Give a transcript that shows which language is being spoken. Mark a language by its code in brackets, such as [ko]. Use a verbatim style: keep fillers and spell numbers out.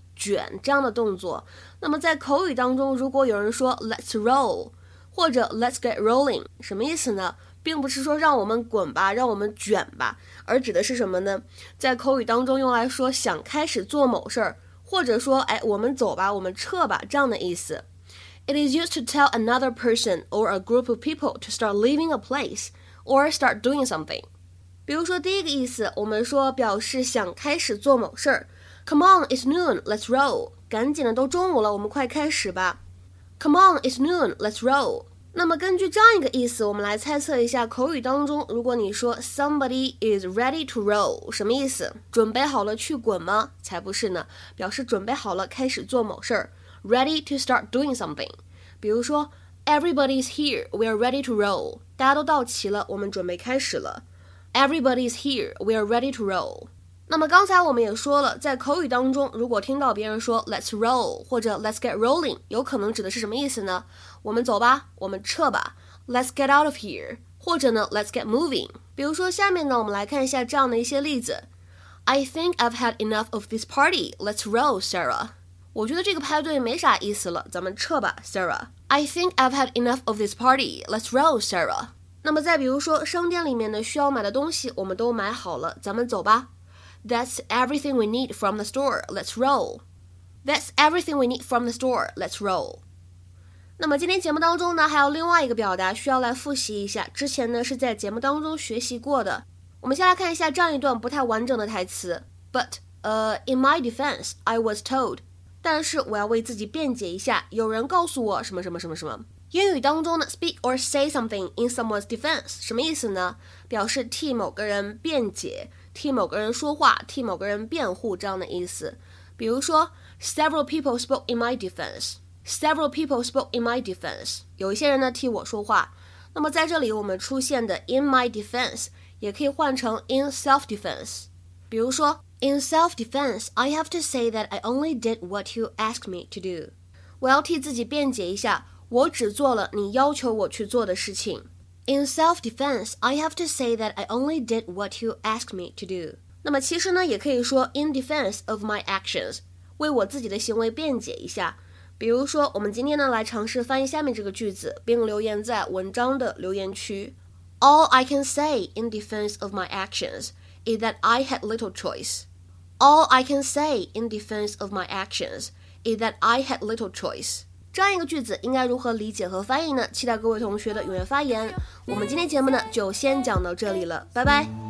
[zh] 卷这样的动作，那么在口语当中，如果有人说 [en] let's roll [zh] 或者 [en] let's get rolling， [zh] 什么意思呢？并不是说让我们滚吧，让我们卷吧，而指的是什么呢？在口语当中用来说想开始做某事儿，或者说哎，我们走吧，我们撤吧，这样的意思。 [en] It is used to tell another person or a group of people to start leaving a place or start doing something。 [zh] 比如说第一个意思，我们说表示想开始做某事儿。 [en] Come on, it's noon, let's roll. [zh] 赶紧的，都中午了，我们快开始吧。 [en] Come on, it's noon, let's roll. [zh] 那么根据这样一个意思，我们来猜测一下口语当中，如果你说 [en] somebody is ready to roll， [zh] 什么意思？准备好了去滚吗？才不是呢，表示准备好了开始做某事儿 ， [en] ready to start doing something。比如说 ，Everybody is here, we are ready to roll. [zh] 大家都到齐了，我们准备开始了。 [en] Everybody is here, we are ready to roll. [zh] 那么刚才我们也说了，在口语当中，如果听到别人说 [en] let's roll [zh] 或者 [en] let's get rolling， [zh] 有可能指的是什么意思呢？我们走吧，我们撤吧， [en] let's get out of here， [zh] 或者呢 [en] let's get moving。 [zh] 比如说下面呢，我们来看一下这样的一些例子。 [en] I think I've had enough of this party, let's roll, Sarah。 [zh] 我觉得这个派对没啥意思了，咱们撤吧， Sarah。 [en] I think I've had enough of this party, let's roll, Sarah。 [zh] 那么再比如说商店里面呢，需要买的东西我们都买好了，咱们走吧。 [en] That's everything we need from the store. Let's roll. That's everything we need from the store. Let's roll. [zh] 那么今天节目当中呢，还有另外一个表达需要来复习一下，之前呢是在节目当中学习过的。我们先来看一下这样一段不太完整的台词。 [en] But, uh, in my defense, I was told. [zh] 但是我要为自己辩解一下，有人告诉我什么什么什么什么。英语当中呢 [en] speak or say something in someone's defense [zh] 什么意思呢？表示替某个人辩解，替某个人说话，替某个人辩护，这样的意思。比如说 [en] several people spoke in my defense， several people spoke in my defense， [zh] 有一些人呢替我说话。那么在这里我们出现的 [en] in my defense [zh] 也可以换成 [en] in self defense。 [zh] 比如说 [en] in self defense I have to say that I only did what you asked me to do， [zh] 我要替自己辩解一下，我只做了你要求我去做的事情。 [en] In self-defense, I have to say that I only did what you asked me to do. [zh] 那么其实呢，也可以说 [en] in defense of my actions， [zh] 为我自己的行为辩解一下。比如说，我们今天呢来尝试翻译下面这个句子，并留言在文章的留言区。 [en] All I can say in defense of my actions is that I had little choice. All I can say in defense of my actions is that I had little choice. [zh] 这样一个句子应该如何理解和翻译呢？期待各位同学的踊跃发言。我们今天节目呢就先讲到这里了，拜拜。